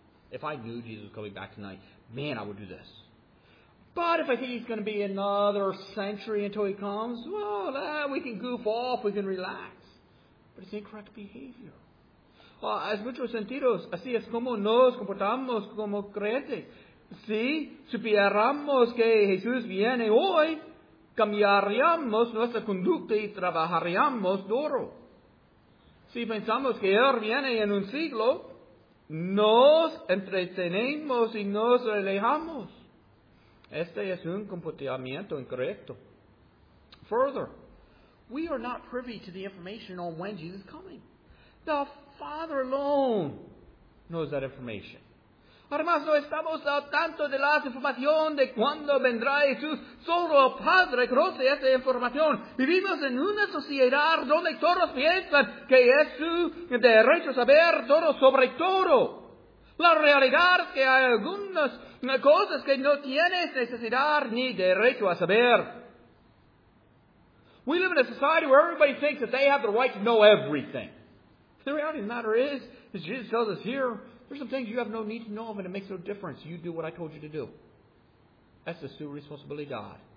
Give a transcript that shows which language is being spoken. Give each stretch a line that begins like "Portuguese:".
English: If I knew Jesus was coming back tonight, man, I would do this. But if I think he's going to be another century until he comes, well, we can goof off, we can relax. But it's incorrect behavior.
Spanish: Hay muchos sentidos. Así es como nos comportamos como creyentes. Si supiéramos que Jesús viene hoy, cambiaríamos nuestra conducta y trabajaríamos duro. Si pensamos que Él viene en un siglo, nos entretenemos y nos alejamos. Este es un comportamiento incorrecto.
English: Further, we are not privy to the information on when Jesus is coming. The Father alone knows that information.
Spanish: Además, no estamos al tanto de la información de cuándo vendrá Jesús. Solo el Padre conoce esa información. Vivimos en una sociedad donde todos piensan que es su derecho saber todo sobre todo. La realidad es que hay algunas cosas que no tienes necesidad ni derecho a saber.
English: We live in a society where everybody thinks that they have the right to know everything. The reality of the matter is, as Jesus tells us here, there's some things you have no need to know of, and it makes no difference. You do what I told you to do. That's the sole responsibility of God.